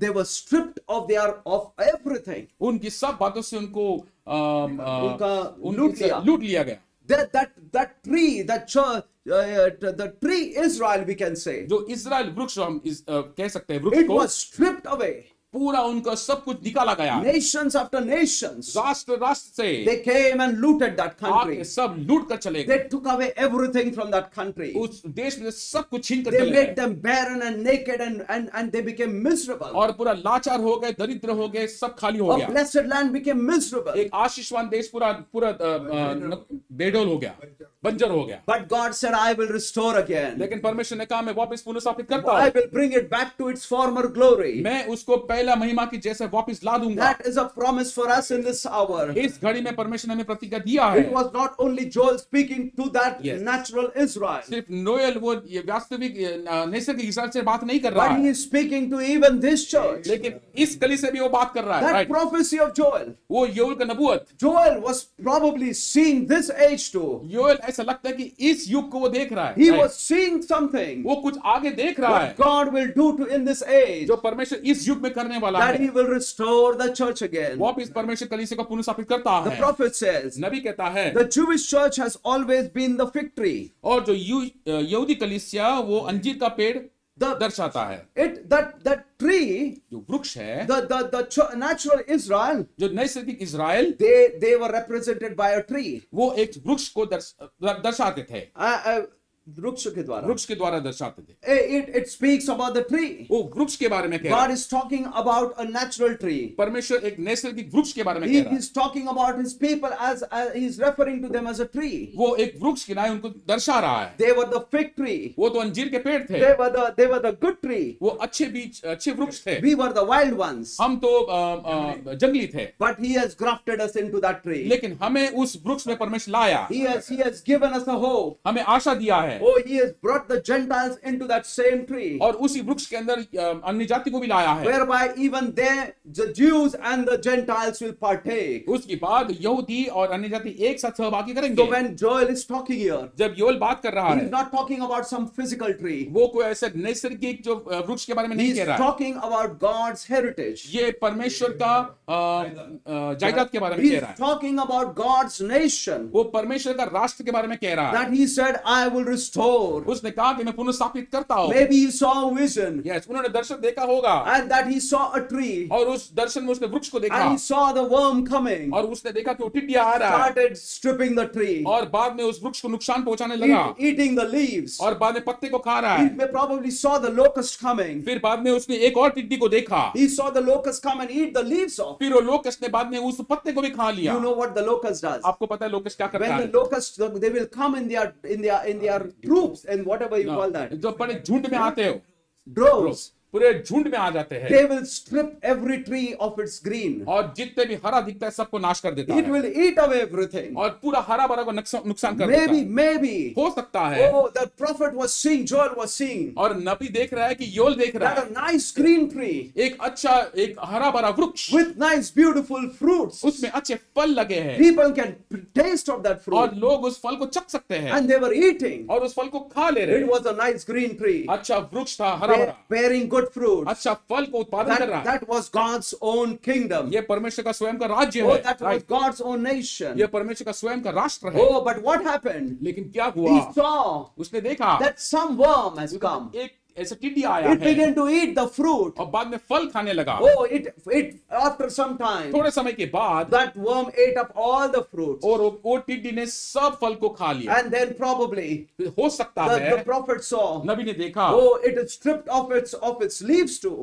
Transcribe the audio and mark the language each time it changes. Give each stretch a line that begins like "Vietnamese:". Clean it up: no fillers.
English: they were stripped of their of everything.
Hindi: उनकी सब बातों से उनको लूट लिया गया.
English: That tree, that church. The tree Israel, we can say.
Hindi: जो इज़राइल वृक्ष हम कह सकते हैं वृक्ष को.
English: It was stripped away.
Hindi: पूरा उनका सब कुछ निकाला गया.
English: Nations after nations.
Hindi: राष्ट्र राष्ट्र से.
English: They came and looted that country.
Hindi: सब लूट कर चले गए.
English: They took away everything from that country.
Hindi: उस देश में सब कुछ छीन कर चले गए.
English: They made them barren and naked and they became miserable.
Hindi: और पूरा लाचार हो गए, दरिद्र हो गए, सब खाली हो गया.
English: A blessed land became miserable.
Hindi: एक आशीषवान देश पूरा बेडोल हो गया, बंजर हो गया.
English: But God said, I will restore again.
Hindi: लेकिन परमेश्वर ने कहा मैं वापस पुनर्स्थापित करता हूं.
English: I will bring it back to its former glory.
Hindi: मैं उसको पहला महिमा की जैसे वापस ला दूंगा.
English: That is a promise for us in this hour.
Hindi: इस घड़ी में परमेश्वर ने हमें प्रतिज्ञा दिया है.
English: It was not only Joel speaking to that yes. natural Israel.
Hindi: सिर्फ नोएल वो वास्तविक नैसर्गिक इज़राइल से बात नहीं कर रहा.
English: But he is speaking to even this church.
Hindi: लेकिन इस कली से भी वो बात कर रहा है.
English: That prophecy of Joel.
Hindi: वो योएल का नबूवत.
English: Joel was probably seeing this age too.
Hindi: Joel ऐसा लगता है कि इस युग को वो देख रहा है.
English: He was seeing something.
Hindi: वो कुछ आगे देख रहा है.
English: What God will do to in this age.
Hindi: जो परमेश्वर इस युग में करने वाला
English: that
Hindi: है.
English: He will restore the church again.
Hindi: वापस परमेश्वर कलीसिया को पुनर्स्थापित करता है.
English: The prophet says.
Hindi: नबी कहता है.
English: The Jewish church has always been the fig tree.
Hindi: और जो यहूदी कलीसिया वो अंजीर का पेड़ दर्शाता है.
English: It that tree.
Hindi: जो वृक्ष है.
English: The natural Israel.
Hindi: जो नैसर्गिक Israel.
English: They were represented by a tree.
Hindi: वो एक वृक्ष को दर्शाते थे. वृक्ष के द्वारा दर्शाते थे.
English: It speaks about the tree.
Hindi: वो वृक्ष के बारे में कह रहा.
English: God is talking about a natural tree.
Hindi: परमेश्वर एक नैसर्गिक वृक्ष के बारे में कह रहा.
English: He is talking about his people as he is referring to them as a tree.
Hindi: वो एक वृक्ष के नाम उनको दर्शा रहा है.
English: They were the fig tree.
Hindi: वो तो अंजीर के पेड़ थे.
English: They were the good tree.
Hindi: वो अच्छे बीज अच्छे वृक्ष थे.
English: We were the wild ones.
Hindi: हम तो जंगली थे.
English: But he has grafted us into that tree.
Hindi: लेकिन हमें उस वृक्ष में परमेश्वर लाया.
English: He has given us a hope.
Hindi: हमें आशा दिया है.
English: Oh, he has brought the Gentiles into that same tree.
Hindi: और उसी वृक्ष के अंदर अन्य जाति को भी लाया है.
English: Whereby even there the Jews and the Gentiles will partake.
Hindi: उसके बाद यहूदी और अन्य जाति एक साथ सहभागी करेंगे.
English: So when Joel is talking here,
Hindi: जब योएल बात कर रहा है,
English: he is not talking about some physical tree.
Hindi: वो कोई ऐसे नैसर्गिक जो वृक्ष के बारे में नहीं कह रहा.
English: He is talking about God's heritage.
Hindi: ये परमेश्वर का जायदाद के बारे में कह रहा है.
English: He is talking about God's nation.
Hindi: वो परमेश्वर का राष्ट्र के बारे में कह रहा है.
English: That he said, I will restore.
Hindi: उसने कहा कि मैं पुनर्स्थापित करता हूँ.
English: Maybe he saw a vision.
Hindi: Yes, उन्होंने दर्शन देखा होगा.
English: And that he saw a tree.
Hindi: और उस दर्शन में उसने वृक्ष को देखा.
English: And he saw the worm coming.
Hindi: और उसने देखा कि टिड्डी आ रहा.
English: Started stripping the tree.
Hindi: और बाद में उस वृक्ष को नुकसान पहुंचाने लगा.
English: Eating the leaves.
Hindi: और बाद में पत्ते को खा रहा है.
English: He probably saw the locust coming.
Hindi: फिर बाद में उसने एक और टिड्डी को देखा.
English: He saw the locust come and eat the leaves off.
Hindi: फिर वो लोकस्ट ने बाद में उस पत्ते को भी खा लिया.
English: You know what the locust does?
Hindi: आपको पता है लोकस्ट क्या करता है?
English: When the locust they will come in their troops and whatever you call that.
Hindi: जो पड़े झुंड में आते हो.
English: Droves.
Hindi: पूरे झुंड में आ जाते हैं.
English: They will strip every tree of its green.
Hindi: और जितने भी हरा दिखता है सबको नाश कर देता है.
English: It will eat away everything.
Hindi: और पूरा हरा भरा को नुकसान कर देता है.
English: Maybe
Hindi: हो सकता है.
English: Oh, the prophet was seeing, Joel was seeing.
Hindi: और नबी देख रहा है कि योल देख रहा है.
English: That a nice green tree.
Hindi: एक अच्छा एक हरा भरा वृक्ष.
English: With nice beautiful fruits.
Hindi: उसमें अच्छे फल लगे हैं.
English: People can taste of that fruit.
Hindi: और लोग उस फल को चख सकते हैं.
English: And they were eating.
Hindi: और उस फल को खा ले रहे.
English: It was a nice green tree.
Hindi: अच्छा वृक्ष था हरा भरा.
English: Bearing good fruit.
Hindi: अच्छा फल को उत्पादन कर रहा.
English: That was God's own kingdom.
Hindi: ये परमेश्वर का स्वयं का राज्य है.
English: Oh, that was God's own nation.
Hindi: ये परमेश्वर का स्वयं का राष्ट्र है.
English: Oh, but what happened?
Hindi: लेकिन क्या हुआ?
English: He saw.
Hindi: उसने देखा.
English: That some worm has come.
Hindi: एक ऐसा टिड्डी आया है.
English: It began to eat the fruit.
Hindi: और बाद में फल खाने लगा.
English: Oh, it after some time.
Hindi: थोड़े समय के बाद.
English: That worm ate up all the fruits.
Hindi: और वो टिड्डी ने सब फल को खा लिया.
English: And then probably.
Hindi: हो सकता है.
English: The prophet saw.
Hindi: नबी ने देखा.
English: Oh, it is stripped of its leaves too.